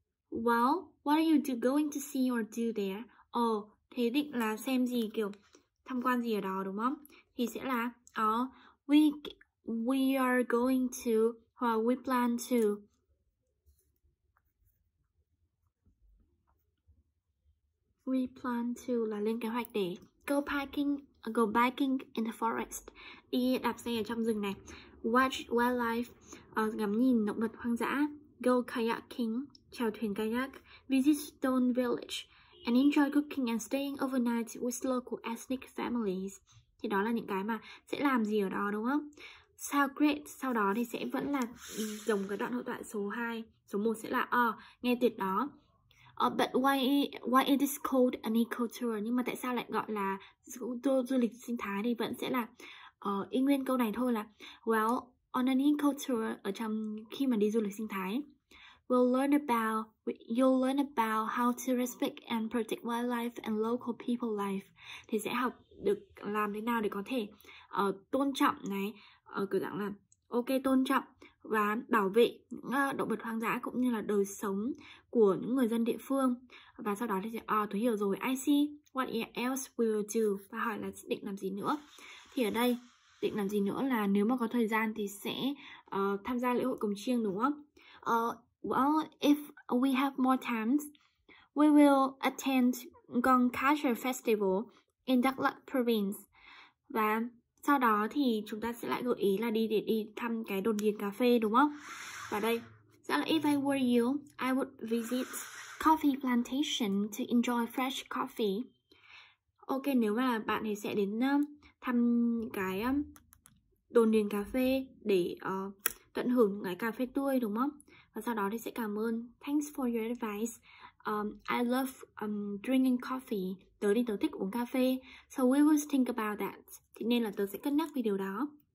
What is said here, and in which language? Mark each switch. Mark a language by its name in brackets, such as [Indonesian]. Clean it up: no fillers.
[English] Well, what are you going to see or do there? [Vietnamese] Thế định là xem gì, kiểu tham quan gì ở đó đúng không? Thì sẽ là [English] we are going to, hoặc we plan to. We plan to [Vietnamese] là lên kế hoạch để [English] go biking in the forest. [Vietnamese] Đi đạp xe ở trong rừng này. [English] Watch wildlife, [Vietnamese] ngắm nhìn động vật hoang dã. [English] Go kayaking, [Vietnamese] chèo thuyền kayak. [English] Visit stone village and enjoy cooking and staying overnight with local ethnic families. [Vietnamese] Thì đó là những cái mà sẽ làm gì ở đó đúng không? Sao great, sau đó thì sẽ vẫn là giống cái đoạn hội thoại số 2. Số 1 sẽ là nghe tuyệt đó. [English] But why is this called an eco-tour? [Vietnamese] Nhưng mà tại sao lại gọi là tour du lịch sinh thái thì vẫn sẽ là y nguyên câu này thôi là [English] well, on an eco-tour, [Vietnamese] ở trong khi mà đi du lịch sinh thái, [English] You'll learn about how to respect and protect wildlife and local people life. [Vietnamese] Thì sẽ học được làm thế nào để có thể tôn trọng này, kiểu dạng là ok tôn trọng và bảo vệ những động vật hoang dã cũng như là đời sống của những người dân địa phương. Và sau đó thì sẽ tôi hiểu rồi, [English] I see, what else will you do? [Vietnamese] Và hỏi là định làm gì nữa. Thì ở đây định làm gì nữa là nếu mà có thời gian thì sẽ tham gia lễ hội cồng chiêng đúng không? [English] Well, if we have more times, we will attend Gong Culture Festival in Đắk Lắk Province. [Vietnamese] Và sau đó thì chúng ta sẽ lại gợi ý là đi thăm cái đồn điền cà phê đúng không? Và đây, sẽ là [English] if I were you, I would visit coffee plantation to enjoy fresh coffee. [Vietnamese] Ok, nếu mà bạn thì sẽ đến thăm cái đồn điền cà phê để tận hưởng cái cà phê tươi đúng không? Và sau đó thì sẽ cảm ơn, [English] thanks for your advice, I love drinking coffee, [Vietnamese] tớ thì tớ thích uống cà phê, [English] so we will think about that, [Vietnamese] thì nên là tớ sẽ cân nhắc về điều đó.